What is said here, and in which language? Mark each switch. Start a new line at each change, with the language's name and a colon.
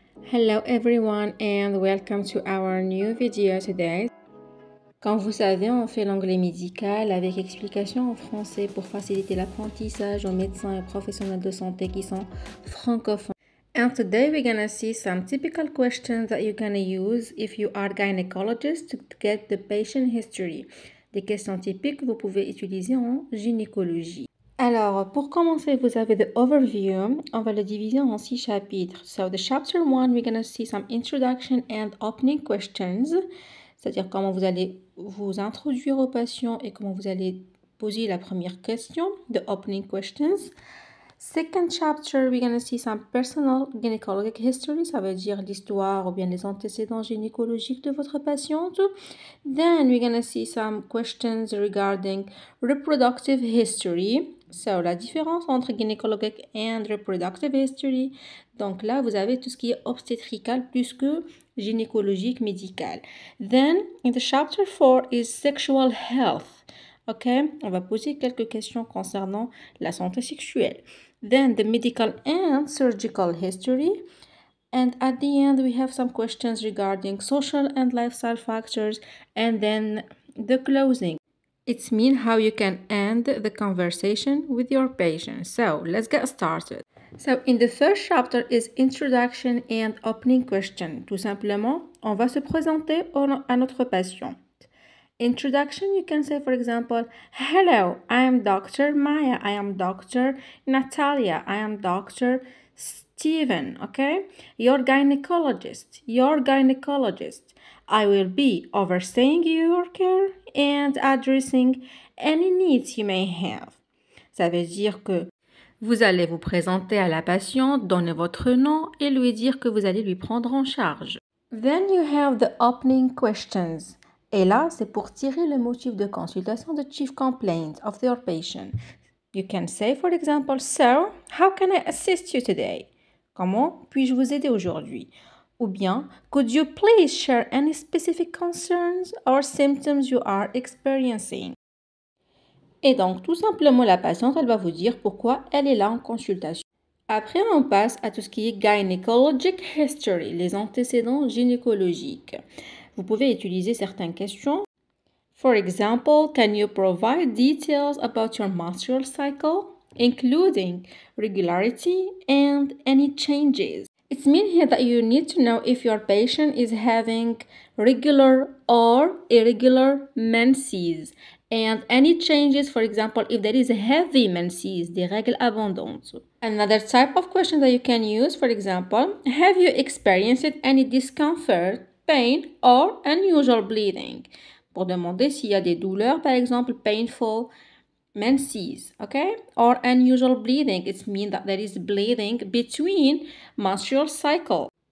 English: Hello everyone and welcome to our new video today.
French: Comme vous savez, on fait l'anglais médical avec explication en français pour faciliter l'apprentissage aux médecins et professionnels de santé qui sont francophones.
English: And today we're gonna see some typical questions that you're gonna use if you are a gynecologist to get the patient history.
French: Des questions typiques que vous pouvez utiliser en gynécologie. Alors, pour commencer, vous avez
English: the overview.
French: On va le diviser en 6 chapitres.
English: So, the chapter 1, we're going to see some introduction and opening questions.
French: C'est-à-dire comment vous allez vous introduire aux patients et comment vous allez poser la première question,
English: the opening questions. Second chapter, we're going to see some personal gynecologic history.
French: Ça veut dire l'histoire ou bien les antécédents gynécologiques de votre patiente.
English: Then, we're going to see some questions regarding reproductive history. So,
French: la différence entre
English: gynecologic and reproductive history.
French: Donc là, vous avez tout ce qui est obstétrical plus que gynécologique médical.
English: Then, in the chapter 4 is sexual health. OK, on va poser quelques questions concernant la santé sexuelle. Then, the medical and surgical history. And at the end, we have some questions regarding social and lifestyle factors. And then, the closing. It's mean how you can end the conversation with your patient. So, let's get started. So, in the first chapter is introduction and opening question.
French: Tout simplement, on va se présenter à notre patient.
English: Introduction, you can say, for example, hello, I am Dr. Maya, I am Dr. Natalia, I am Dr. Steven, okay? Your gynecologist. I will be overseeing your care and addressing any needs you may have.
French: Ça veut dire que vous allez vous présenter à la patiente, donner votre nom et lui dire que vous allez lui prendre en charge.
English: Then you have the opening questions.
French: Et là, c'est pour tirer le motif de consultation,
English: the chief complaint of your patient. You can say, for example, sir, how can I assist you today?
French: Comment puis-je vous aider aujourd'hui? Ou bien,
English: could you please share any specific concerns or symptoms you are experiencing?
French: Et donc, tout simplement, la patiente, elle va vous dire pourquoi elle est là en consultation. Après, on passe à tout ce qui est
English: gynecologic history,
French: les antécédents gynécologiques. Vous pouvez utiliser certaines questions.
English: For example, can you provide details about your menstrual cycle, including regularity and any changes? It means here that you need to know if your patient is having regular or irregular menses and any changes, for example, if there is heavy menses,
French: des règles abondantes.
English: Another type of question that you can use, for example, have you experienced any discomfort, pain or unusual bleeding?
French: Pour demander s'il y a des douleurs, par exemple,
English: painful menses, okay? Or unusual bleeding, it means that there is bleeding between menstrual cycle.